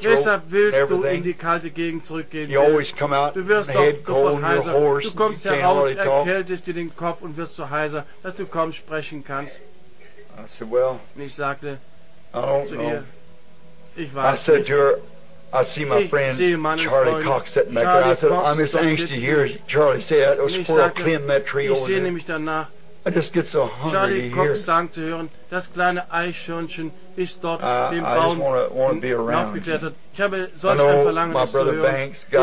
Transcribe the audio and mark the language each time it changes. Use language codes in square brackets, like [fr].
[de] deshalb willst du in die kalte Gegend zurückgehen. Du wirst doch sofort heiser. Du kommst heraus, erkältest dir den Kopf und wirst so heiser, dass du kaum sprechen kannst. Und ich sagte zu ihr, ich weiß nicht. [en] I see my friend Charlie Cox sitting back there. I said, I'm just anxious to hear Charlie say that. Those squirrels cleaned that tree over there. I just get so hungry to hear. [de] Sagen zu hören, das kleine Eichhörnchen ist dort dem Baum aufgeklettert. Ich habe solch ein Verlangen, das zu hören.